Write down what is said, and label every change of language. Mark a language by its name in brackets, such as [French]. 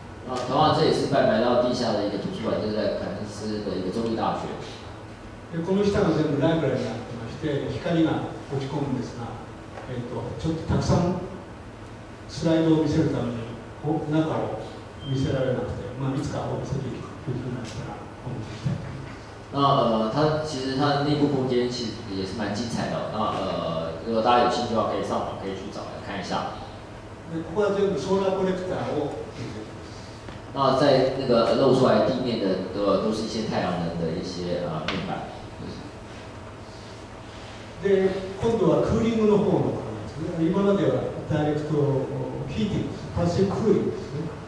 [Chinese] 同样，这也是拜埋到地下的一个图书馆，就是在肯尼斯的一个州立大学。 [Japanese] でこの下が全部ライブラリーになってまして、光が落ち込むんですが、ちょっとたくさんスライドを見せるために中を見せられなくて、まあいつかお見せできるというふうになったら思っていきたいと思います。 [Chinese] 它其实它内部空间其实也是蛮精彩的。那如果大家有兴趣的话，可以上网可以去找来看一下。 [Japanese] でここは全部ソーラーコレクターを。 [Chinese] 那在那个露出来地面的都是一些太阳能的一些面板。 [Japanese] で今度はクーリングの方の話ですね。今まではダイレクトヒーティング、パッシブクーリングですね。